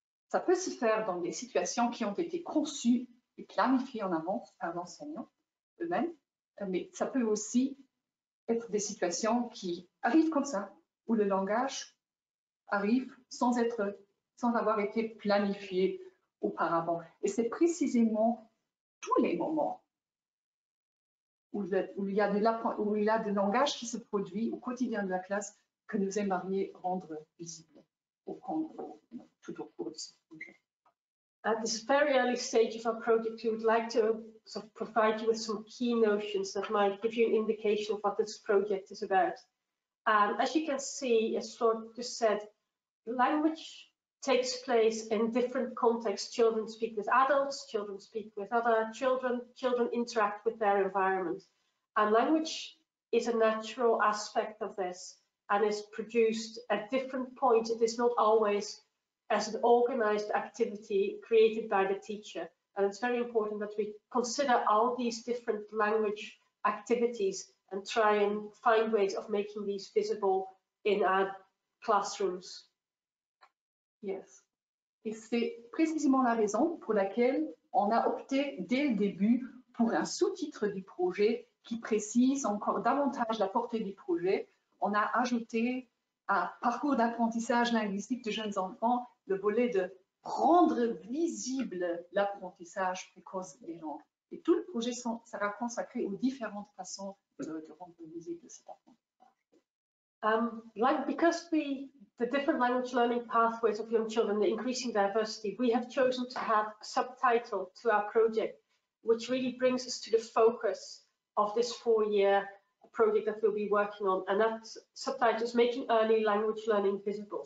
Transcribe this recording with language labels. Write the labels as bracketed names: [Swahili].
[French] Ça peut se faire dans des situations qui ont été conçues et planifiées en avance par l'enseignant eux-mêmes, mais ça peut aussi être des situations qui arrivent comme ça, où le langage arrive sans avoir été planifié auparavant. Et c'est précisément tous les moments où il y a du langage qui se produit au quotidien de la classe que nous aimeriez rendre visible tout au cours de ce projet. [English] At this very early stage of our project, we would like to sort of provide you with some key notions that might give you an indication of what this project is about. As you can see, as Floor just said, language takes place in different contexts. Children speak with adults, children speak with other children interact with their environment. And language is a natural aspect of this and is produced at different points. It is not always as an organized activity created by the teacher. And it's very important that we consider all these different language activities and try and find ways of making these visible in our classrooms. Yes. [French] Et c'est précisément la raison pour laquelle on a opté dès le début pour un sous-titre du projet qui précise encore davantage la portée du projet. On a ajouté à parcours d'apprentissage linguistique de jeunes enfants le volet de rendre visible l'apprentissage précoce des langues. Et tout le projet sera consacré aux différentes façons de rendre visible cet apprentissage. [English] The different language learning pathways of young children, the increasing diversity, we have chosen to have a subtitle to our project, which really brings us to the focus of this four-year project that we'll be working on. And that subtitle is making early language learning visible.